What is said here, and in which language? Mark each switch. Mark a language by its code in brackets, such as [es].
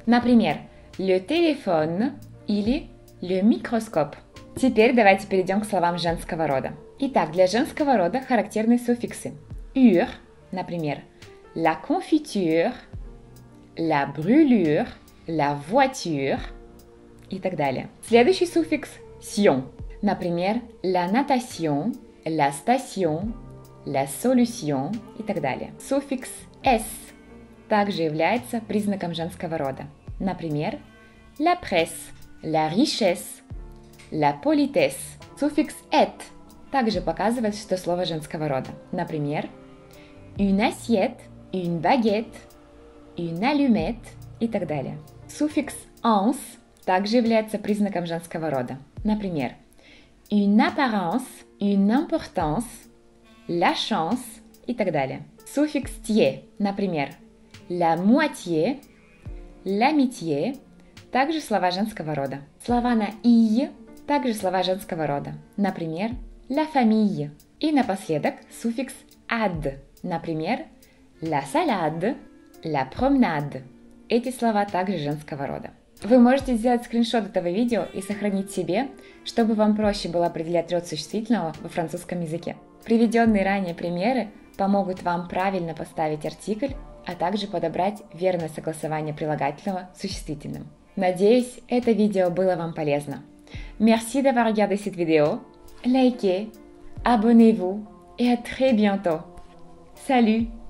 [ru] Например, [fr] le téléphone или le microscope. [ru] Теперь давайте перейдем к словам женского рода. Итак, для женского рода характерны суффиксы. [fr] «Ur», [ru] например, [fr] la confiture, la brûlure, la voiture [ru] и так далее. Следующий суффикс – «сьон». Например, [fr] «la natation», «la station», «la solution» [ru] и так далее. Суффикс «s» также является признаком женского рода. Например, [fr] «la presse», «la richesse», «la politesse». [ru] Суффикс «et» также показывает, что слово женского рода. Например, [fr] «une assiette», «une baguette», «une allumette» [ru] и так далее. Суффикс «ans» также является признаком женского рода. Например, [fr] «une apparence», «une importance», «la chance» [ru] и так далее. Суффикс «tie», например, [fr] «la moitié», [ru] «l'amitié» – также слова женского рода. Слова на «и» – также слова женского рода. Например, [fr] «la famille». [ru] И напоследок суффикс «ad», например, [fr] «la salade», «la promenade». [ru] Эти слова также женского рода. Вы можете сделать скриншот этого видео и сохранить себе, чтобы вам проще было определять род существительного во французском языке. Приведенные ранее примеры помогут вам правильно поставить артикль, а также подобрать верное согласование прилагательного с существительным. Надеюсь, это видео было вам полезно. [fr] Merci d'avoir regardé cette vidéo. Likez, abonnez-vous et à très bientôt. Salut!